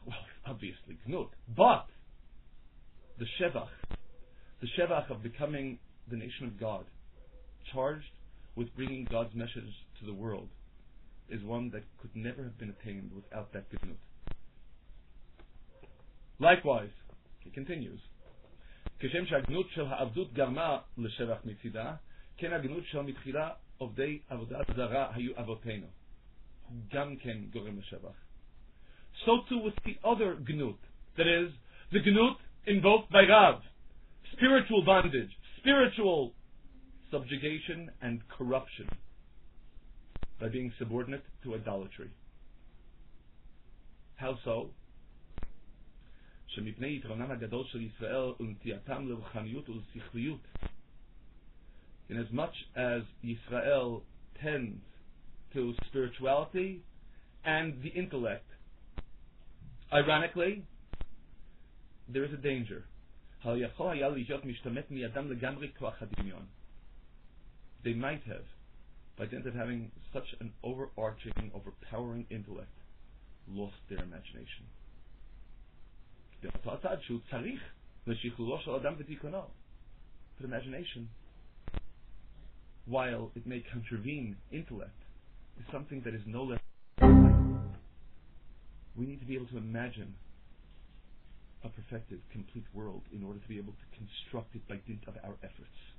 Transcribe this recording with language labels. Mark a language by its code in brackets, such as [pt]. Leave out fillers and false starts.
[en] Well, obviously gnut, but the shevach of becoming the nation of God, charged with bringing God's message to the world, is one that could never have been attained without that gnut. Likewise, he continues, [he] כשם שהגנות של העבדות גרמה לשבח מצידה, כן הגנות של מתחילה עובדי עבודה זרה היו אבותינו. גם כן גורם לשבח. [en] So too with the other gnut, that is, the gnut invoked by Rav, spiritual bondage, spiritual subjugation and corruption by being subordinate to idolatry. How so? [he] שמפני יתרונם הגדול של ישראל ונטייתם לרוחניות ולשכליות. [en] In as much as Israel tends to spirituality and the intellect, ironically, there is a danger. [he] הלא יכול היה להיות משתמט מידם לגמרי כוח הדמיון. [en] They might have, by dint of having such an overarching, overpowering intellect, lost their imagination. [he] באותו הצד שהוא צריך לשחרורו של אדם ותיקונו. [en] But imagination, while it may contravene intellect, is something that is no less. We need to be able to imagine a perfected, complete world in order to be able to construct it by dint of our efforts.